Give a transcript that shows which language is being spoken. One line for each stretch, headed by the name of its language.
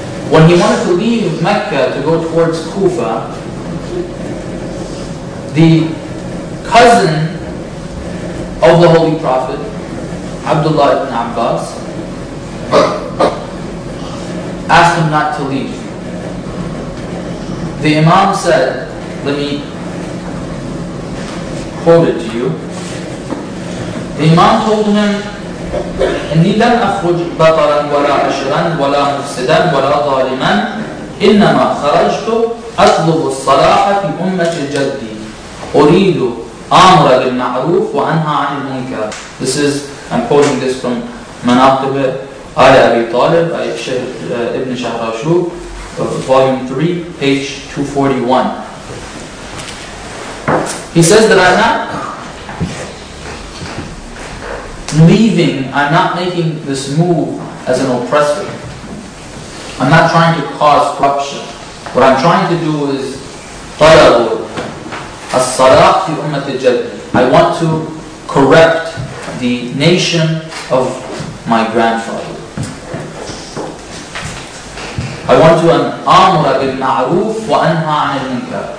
English: When he wanted to leave Mecca to go towards Kufa, the cousin of the Holy Prophet, Abdullah ibn Abbas, asked him not to leave. The Imam said, let me quote it to you. The Imam told him,
Arabic: إني لم أخرج بطرا ولا عشرا ولا مفسدا ولا ظالما إنما خرجت أطلب الصلاح في أمة جدي أريد أمر بالمعروف وأنهى عن المنكر.
English: This is, I'm quoting this from مناقب آل أبي طالب ابن شهراشوب volume 3 page 241. He says that I'm not leaving, I'm not making this move as an oppressor. I'm not trying to cause corruption. What I'm trying to do is طلب الصلاح في أمة الجد. I want to correct the nation of my grandfather. I want to أمر بالمعروف وأنهى عن المنكر.